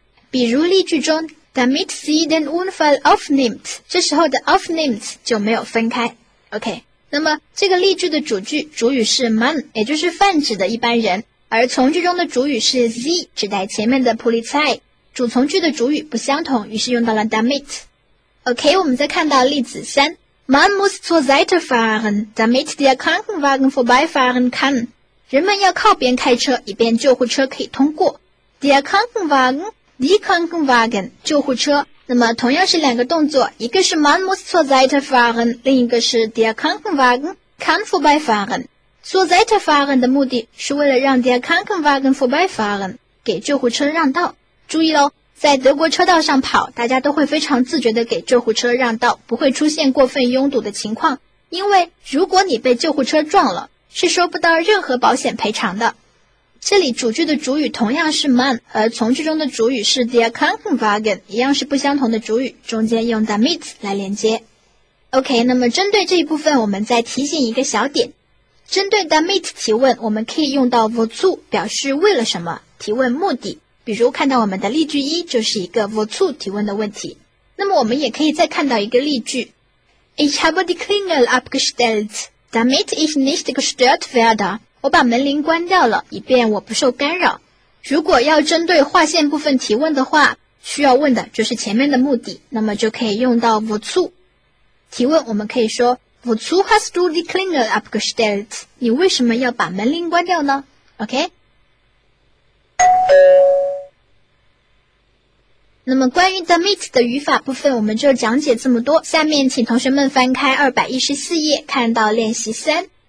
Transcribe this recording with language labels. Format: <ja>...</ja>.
<zh>比如例句中</zh> <de>damit sie den Unfall aufnimmt，</de> <zh>这时候的 aufnimmt 就没有分开。 OK， 那么这个例句的主句主语是 man， 也就是泛指的一般人，而从句中的主语是 sie， 指代前面的 Polizei， 主从句的主语不相同，于是用到了 damit。 OK， 我们再看到例子三，</zh> <de>Man muss zur Seite fahren, damit der Krankenwagen vorbeifahren kann.</de> <zh>人们要靠边开车，以便救护车可以通过。</zh> <de>Der Krankenwagen, die Krankenwagen,</de> <zh>救护车。那么同样是两个动作，一个是</zh> <de>Man muss zur Seite fahren,</de> <zh>另一个是</zh> <de>Der Krankenwagen kann vorbeifahren. Zur Seite fahren</de> <zh>的目的是为了让</zh> <de>Der Krankenwagen vorbeifahren,</de> <zh>给救护车让道。注意咯，在德国车道上跑，大家都会非常自觉地给救护车让道，不会出现过分拥堵的情况。因为如果你被救护车撞了，是收不到任何保险赔偿的。这里主句的主语同样是 man， 而从句中的主语是 der Krankenwagen， 一样是不相同的主语，中间用 damit 来连接。 OK， 那么针对这一部分，我们再提醒一个小点：针对 damit 提问，我们可以用到 wozu 表示为了什么，提问目的。比如看到我们的例句一就是一个 wozu 提问的问题。那么我们也可以再看到一个例句，</zh> <de>Ich habe die Klingel abgestellt, damit ich nicht gestört werde.</de> <zh>我把门铃关掉了，以便我不受干扰。如果要针对划线部分提问的话，需要问的就是前面的目的，那么就可以用到 wozu。提问我们可以说</zh> <de>Wozu hast du die Klingel abgestellt?</de> <zh>你为什么要把门铃关掉呢？</zh> <en>OK?</en> <zh>那么关于 damit 的语法部分我们就讲解这么多，下面请同学们翻开214页，看到练习3。</zh>